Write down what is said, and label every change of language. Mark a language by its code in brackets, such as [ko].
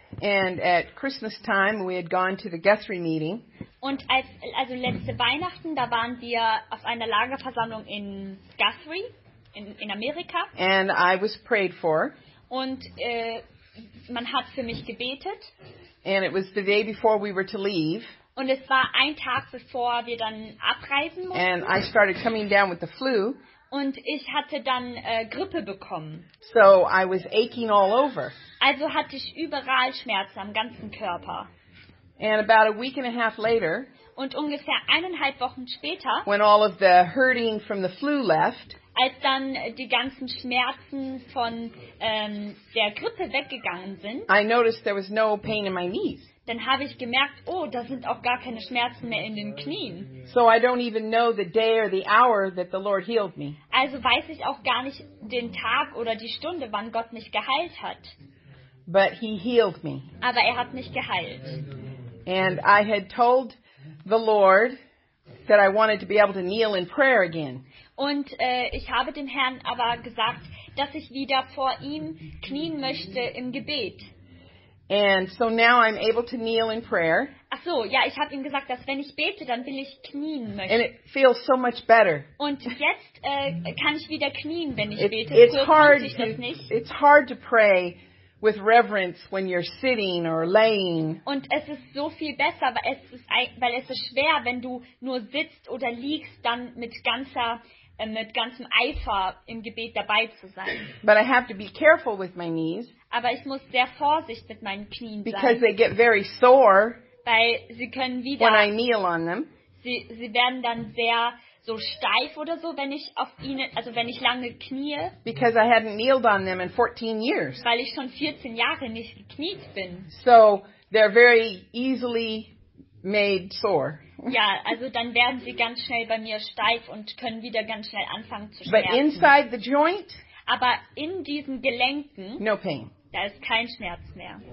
[en] And at Christmas time we had gone to the Guthrie meeting. [de] Und also letzte Weihnachten, da waren wir auf einer Lagerversammlung in Guthrie in Amerika. [en] And I was prayed for. [de] Und man hat für mich gebetet. [en] And it was the day before we were to leave. [de] Und es war ein Tag, bevor wir dann abreisen mussten. [en] And I started coming down with the flu. [de] Und ich hatte dann Grippe bekommen. [en] So I was aching all over. [de] Also hatte ich überall Schmerzen am ganzen Körper. [en] And about a week and a half later, [de] und ungefähr eineinhalb Wochen später, [en] when all of the hurting from the flu left, [de] als dann die ganzen Schmerzen von der Grippe weggegangen sind, [en] I noticed there was no pain in my knees. [de] Dann habe ich gemerkt, oh, da sind auch gar keine Schmerzen mehr in den Knien. [en] So I don't even know the day or the hour that the Lord healed me. [de] Also weiß ich auch gar nicht den Tag oder die Stunde, wann Gott mich geheilt hat. [en] But he healed me. [de] Aber er hat mich geheilt. [en] And I had told the Lord that I wanted to be able to kneel in prayer again. [de] Und ich habe dem Herrn aber gesagt, dass ich wieder vor ihm knien möchte im Gebet. [en] And so now I'm able to kneel in prayer. [de] Ach so, ja, ich habe ihm gesagt, dass wenn ich bete, dann will ich knien möchte. [en] And it feels so much better. [de] Und jetzt kann ich wieder knien, wenn ich bete. [en] It's hard, it's hard to pray with reverence when you're sitting or laying. [de] Und es ist so viel besser, weil es ist schwer, wenn du nur sitzt oder liegst, dann mit ganzem Eifer im Gebet dabei zu sein. [en] But I have to be careful with my knees. [de] Aber ich muss sehr vorsichtig mit meinen Knien sein. [en] Because they get very sore. [de] Weil sie können wieder, [en] when I kneel on them. [de] Sie werden dann sehr so steif oder so, wenn ich auf ihnen, also wenn ich lange knie. [en] Because I hadn't kneeled on them in 14 years. [de] Weil ich schon 14 Jahre nicht gekniet bin. [en] So they're very easily made sore. [de] Ja, also dann werden sie ganz schnell bei mir steif und können wieder ganz schnell anfangen zu schmerzen. [en] But inside the joint, [de] aber in diesen Gelenken, [en] no pain. [de] Da ist kein Schmerz mehr.